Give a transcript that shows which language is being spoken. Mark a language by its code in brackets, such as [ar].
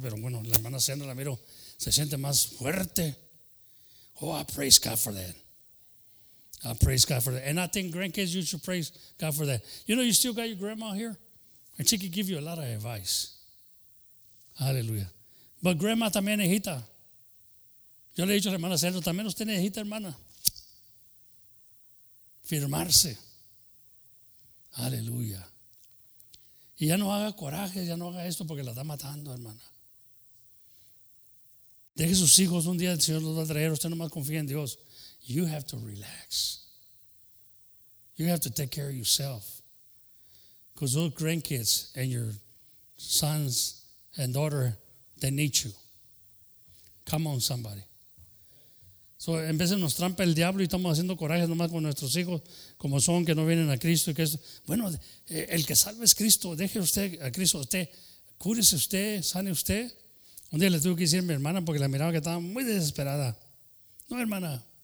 [es] Pero bueno, la hermana Sandra la miro, se siente más fuerte. [en] Oh, I praise God for that. I praise God for that. And I think grandkids, you should praise God for that. You know, you still got your grandma here? And she can give you a lot of advice. Hallelujah. But grandma [es] también necesita. Yo le he dicho a la hermana Sandra, también usted necesita, hermana. Firmarse. Aleluya. Y ya no haga coraje, ya no haga esto porque la está matando, hermana. Deje sus hijos, un día el Señor los va a traer. Usted nomás confía en Dios. [en] You have to relax. You have to take care of yourself. Because those grandkids and your sons and daughter, they need you. Come on, somebody. So, [es] en vez de nos trampa el diablo y estamos haciendo coraje nomás con nuestros hijos, como son, que no vienen a Cristo. Y que eso. Bueno, el que salve es Cristo. Deje usted a Cristo. Usted, cúrese usted, sane usted. Un día le tuve que decir a mi hermana porque la miraba que estaba muy desesperada. No, hermana.